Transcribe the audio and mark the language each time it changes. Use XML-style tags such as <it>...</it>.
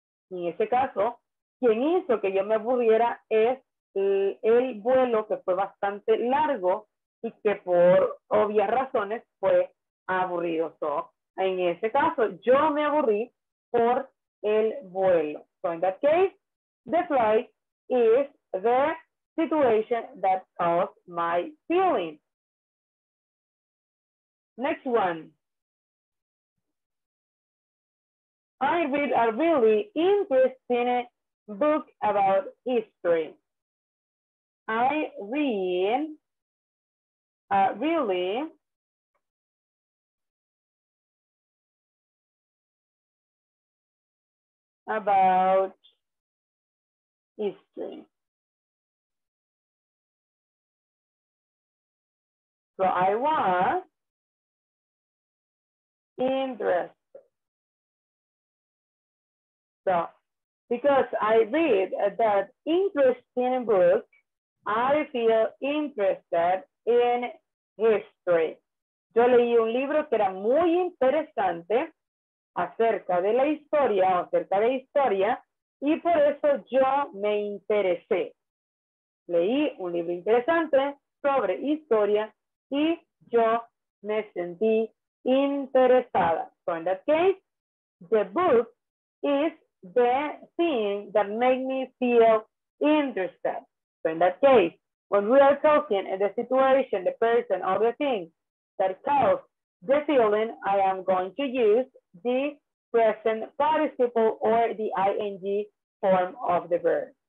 <es>Y en ese caso, quien hizo que yo me aburriera es el vuelo, que fue bastante largo y que por obvias razones fue aburrido. So, en ese caso, yo me aburrí por el vuelo.</es> <en>So in that case, the flight is the situation that caused my feeling. Next one. I read a really interesting book about history. I read a really about history. So I was interested. So, because I read that interesting book, I feel interested in history.</en> <es>Yo leí un libro que era muy interesante acerca de la historia, o acerca de historia, y por eso yo me interesé. Leí un libro interesante sobre historia y yo me sentí interesada.</es> <en>So in that case, the book is the thing that made me feel interested. So in that case, when we are talking in the situation, the person, or the thing that caused the feeling, I am going to use the present participle or the ing form of the verb.</en>